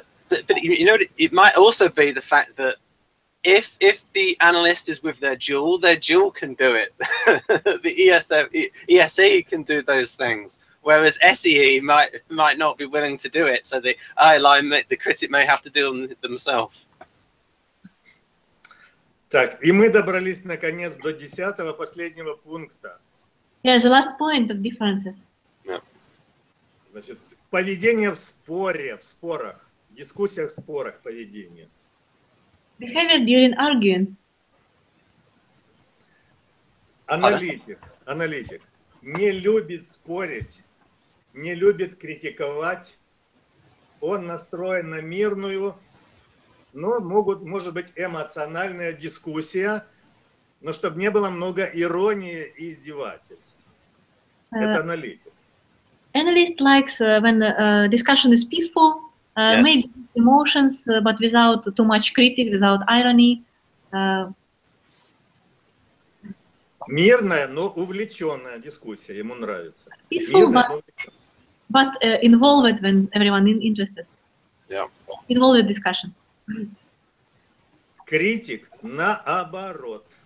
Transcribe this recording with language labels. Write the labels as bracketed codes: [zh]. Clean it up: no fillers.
[en] But you know, it might also be the fact that if the analyst is with their dual can do it. The ESE can do those things. Whereas SEE might not be willing to do it, so the critic may have to do it themselves. [ru] Так, и мы добрались наконец до десятого последнего пункта. [en] Yeah, the last point of differences. Yeah. [ru] Значит, поведение в споре, в спорах, в дискуссиях, в спорах поведение. [en] Behavior during arguing. [ru] Аналитик не любит спорить. Не любит критиковать, он настроен на мирную, но может быть эмоциональная дискуссия, но чтобы не было много иронии и издевательств. Это аналитик. [en] Analyst likes when discussion is peaceful, yes. Maybe emotions, but without too much critique, without irony. [ru] Мирная, но увлеченная дискуссия. Ему нравится. [en] Peaceful, but involved when everyone is interested. Yeah. Involved discussion. [ru] Критик наоборот.